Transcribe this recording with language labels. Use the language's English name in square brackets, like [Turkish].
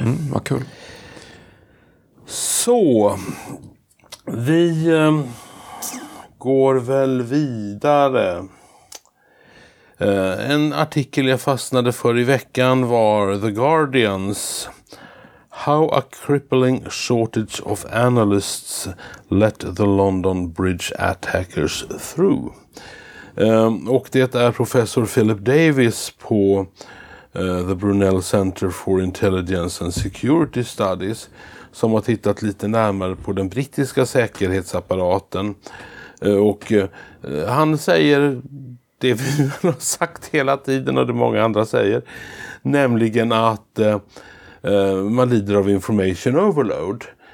[Swedish] Mm, vad kul. Så. Vi går väl vidare. En artikel jag fastnade för i veckan var The Guardians. [English] How a crippling shortage of analysts let the London Bridge attackers through. [Swedish] Och det är professor Philip Davis på The Brunel Center for Intelligence and Security Studies som har tittat lite närmare på den brittiska säkerhetsapparaten. Och han säger det vi har sagt hela tiden och det många andra säger, nämligen att man lider av information overload.